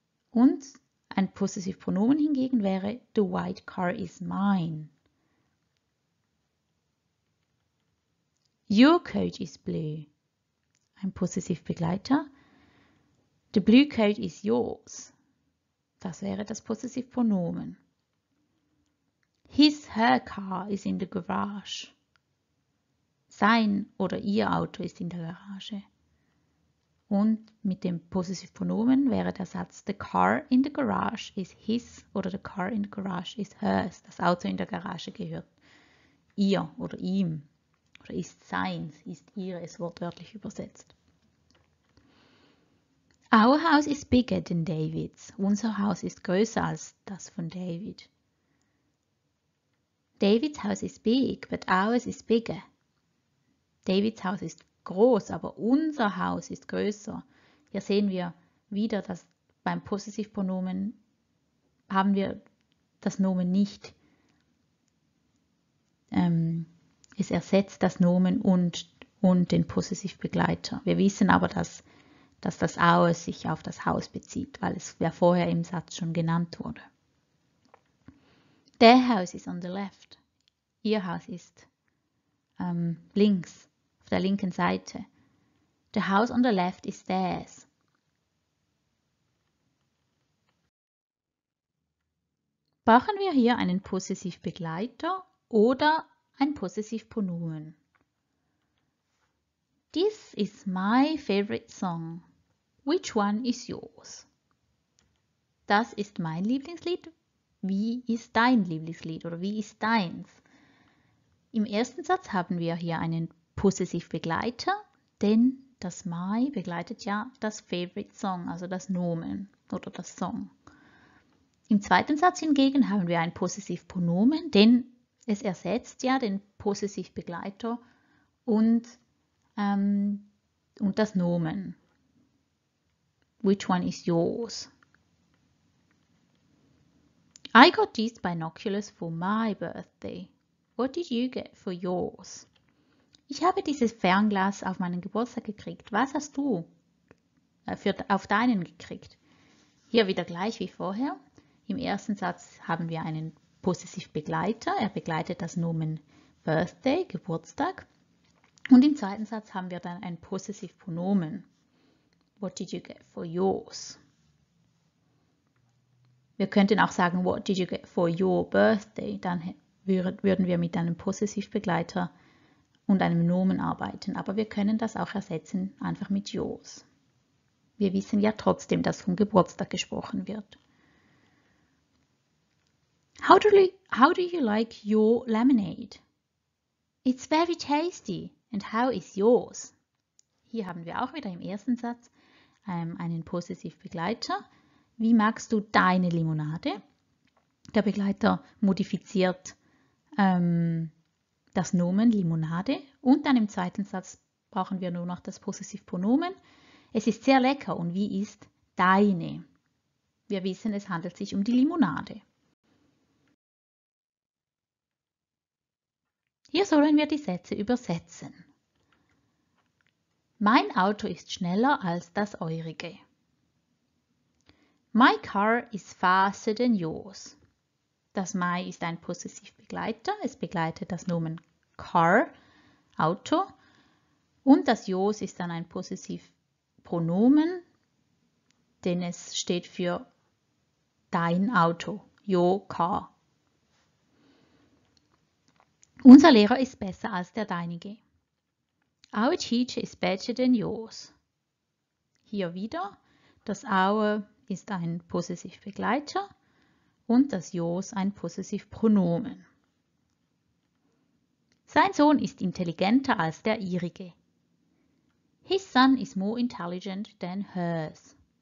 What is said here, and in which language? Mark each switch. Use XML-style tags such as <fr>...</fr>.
<de>Und ein Possessivpronomen hingegen wäre</de> <en>the white car is mine. Your coat is blue.</en> <de>Ein Possessivbegleiter.</de> <en>The blue coat is yours.</en> <de>Das wäre das Possessivpronomen.</de> <en>His, her car is in the garage.</en> <de>Sein oder ihr Auto ist in der Garage. Und mit dem Possessivpronomen wäre der Satz</de> <en>The car in the garage is his</en> <de>oder</de> <en>the car in the garage is hers.</en> <de>Das Auto in der Garage gehört ihr oder ihm oder ist seins, ist ihres, wortwörtlich übersetzt.</de> <en>Our house is bigger than David's.</en> <de>Unser Haus ist größer als das von David.</de> <en>David's house is big, but ours is bigger.</en> <de>Davids Haus ist groß, aber unser Haus ist größer. Hier sehen wir wieder, dass beim Possessivpronomen haben wir das Nomen nicht. Es ersetzt das Nomen und den Possessivbegleiter. Wir wissen aber, dass das Haus sich auf das Haus bezieht, weil es ja vorher im Satz schon genannt wurde.</de> <en>Their house is on the left.</en> <de>Ihr Haus ist links. Auf der linken Seite.</de> <en>The house on the left is theirs.</en> <de>Brauchen wir hier einen Possessivbegleiter oder ein Possessivpronomen?</de> <en>This is my favorite song. Which one is yours?</en> <de>Das ist mein Lieblingslied. Wie ist dein Lieblingslied oder wie ist deins? Im ersten Satz haben wir hier einen Possessivbegleiter, denn das my begleitet ja das favorite song, also das Nomen oder das Song. Im zweiten Satz hingegen haben wir ein Possessivpronomen, denn es ersetzt ja den Possessivbegleiter und das Nomen.</de> <en>Which one is yours? I got these binoculars for my birthday. What did you get for yours?</en> <de>Ich habe dieses Fernglas auf meinen Geburtstag gekriegt. Was hast du auf deinen gekriegt? Hier wieder gleich wie vorher. Im ersten Satz haben wir einen Possessivbegleiter. Er begleitet das Nomen Birthday, Geburtstag. Und im zweiten Satz haben wir dann ein Possessivpronomen.</de> <en>What did you get for yours?</en> <de>Wir könnten auch sagen,</de> <en>what did you get for your birthday?</en> <de>Dann würden wir mit einem Possessivbegleiter und einem Nomen arbeiten. Aber wir können das auch ersetzen, einfach mit yours. Wir wissen ja trotzdem, dass vom Geburtstag gesprochen wird.</de> <en>How do you like your lemonade? It's very tasty. And how is yours?</en> <de>Hier haben wir auch wieder im ersten Satz einen Possessivbegleiter. Wie magst du deine Limonade? Der Begleiter modifiziert das Nomen Limonade. Und dann im zweiten Satz brauchen wir nur noch das Possessivpronomen. Es ist sehr lecker. Und wie ist deine? Wir wissen, es handelt sich um die Limonade. Hier sollen wir die Sätze übersetzen. Mein Auto ist schneller als das eurige.</de> <en>My car is faster than yours.</en> <de>Das my ist ein Possessivbegleiter. Es begleitet das Nomen car, Auto. Und das yours ist dann ein Possessivpronomen, denn es steht für dein Auto, your car. Unser Lehrer ist besser als der deinige.</de> <en>Our teacher is better than yours.</en> <de>Hier wieder, das our ist ein Possessivbegleiter und das yours ein Possessivpronomen. Sein Sohn ist intelligenter als der ihrige.</de> <en>His son is more intelligent than hers.</en>